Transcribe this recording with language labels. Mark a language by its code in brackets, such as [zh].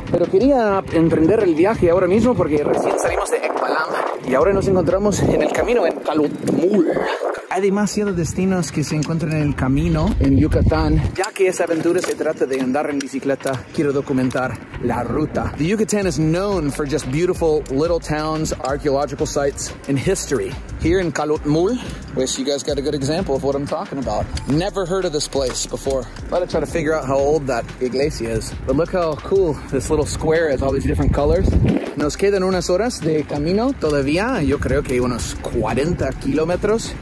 [es] Pero quería emprender el viaje ahora mismo porque recién salimos de Ekpalam. Y ahora nos encontramos en el camino en Calutmul. Hay demasiados destinos que se encuentran en el camino en Yucatán. Ya que esa aventura se trata de andar en bicicleta, quiero documentar la ruta. [en] The Yucatán is known for just beautiful little towns, archaeological sites, and history. Here in Calutmul, wish you guys got a good example of what I'm talking about. Never heard of this place before. Gotta try to figure out how old that iglesia is. But look how cool this little square is, all these different colors. [es] Nos quedan unas horas de camino todavía, yo creo que unos 40 kilómetros.